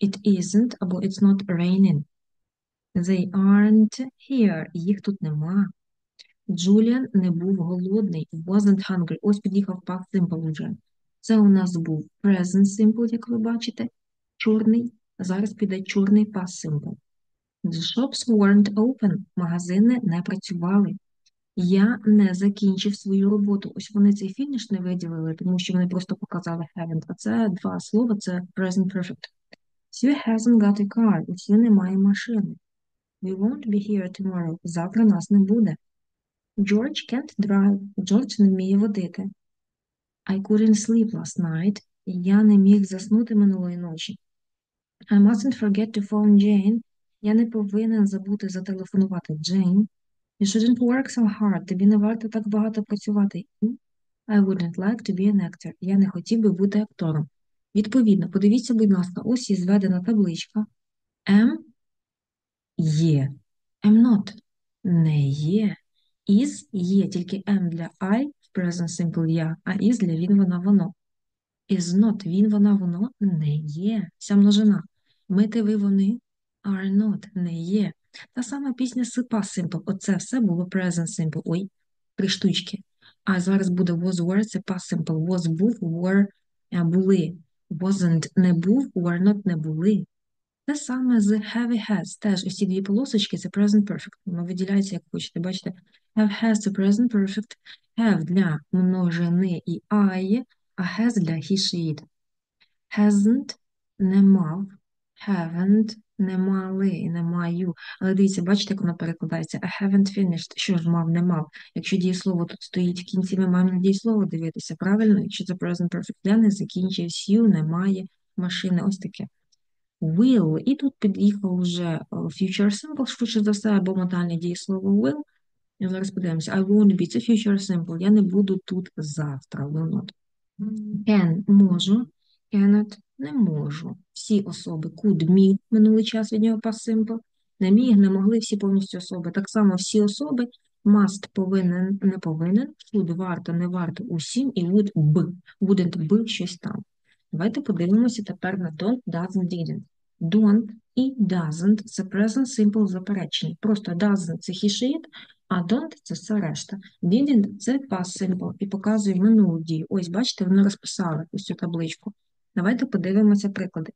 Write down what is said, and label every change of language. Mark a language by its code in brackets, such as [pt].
[en] It isn't або it's not raining. They aren't here. [uk] Їх тут нема. Джуліан не був голодний. [en] Wasn't hungry. [uk] Ось під'їхав past simple вже. Це у нас був present simple, як ви бачите. Чорний. Зараз піде чорний past simple. [en] The shops weren't open. [uk] Магазини не працювали. Я не закінчив свою роботу. Ось вони цей фініш не виділили, тому що вони просто показали haven't. А це два слова, це present perfect. [en] Sue hasn't got a car. [uk] У Сью немає машини. [en] We won't be here tomorrow. [uk] Завтра нас не буде. [en] George can't drive. [uk] George не вміє водити. [en] I couldn't sleep last night. [uk] Я не міг заснути минулої ночі. [en] I mustn't forget to phone Jane. [uk] Я не повинен забути зателефонувати Джейн. [en] You shouldn't work so hard. [uk] Тобі не варто так багато працювати. [en] I wouldn't like to be an actor. [uk] Я не хотів би бути актором. Відповідно, подивіться, будь ласка, ось є зведена табличка. M є. Am not. Не є. Is є. Тільки am для I в present simple я, а is для він, вона, воно. Is not. Він, вона, воно. Не є. Ця множина. Ми, ти, ви, вони. Are not. Не є. Та сама пісня з past simple. Оце все було present simple. Ой, три штучки. А зараз буде was, were. Це past simple. Was, був, were. Були. Wasn't. Не був. Were not. Не були. Те саме з have і has. Теж усі дві полосочки – це present perfect. Воно виділяється, як хочете. Бачите? Have, has – це present perfect. Have для множини і I, а has для he, she, it. Hasn't – не мав. Haven't – не мали, не маю. Але дивіться, бачите, як воно перекладається? [en] I haven't finished. [uk] Що ж мав, не мав? Якщо дієслово тут стоїть в кінці, ми маємо на дієслово дивитися. Правильно? Якщо це present perfect, я не закінчив. Сью – немає машини. Ось таке. Will. І тут під'їхав вже future simple, швидше за все, або модальне дієслово will. І зараз подивимося. [en] I won't be. [uk] Це future simple. Я не буду тут завтра. Will not. Can. Можу. Cannot. Не можу. Всі особи. Could. Me. Минулий час від нього past simple. Не міг. Не могли. Всі повністю особи. Так само всі особи. Must. Повинен. Не повинен. Should. Варто. Не варто. Усім. І would. Би. Wouldn't. Би. Щось там. Давайте подивимося тепер на don't, doesn't, didn't. Don't і doesn't – це present simple заперечення. Просто doesn't – це he, she, it, а don't – це все решта. Didn't – це past simple і показує минулу дію. Ось, бачите, вони розписали ось цю табличку. Давайте подивимося приклади.